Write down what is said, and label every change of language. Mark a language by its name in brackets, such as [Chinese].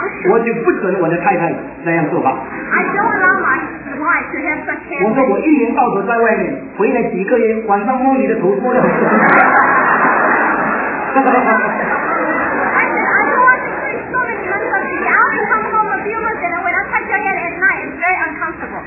[Chinese] 我就不准我的太太那样做吧。 [English] I don't allow my wife to have such hair. [Chinese] 我说我一年到头在外面，回来几个月，晚上摸你的头摸得很爽。 [English] I said I don't want to sleep so many months on the day. I only come home a few months and when I touch your head at night, it's very uncomfortable.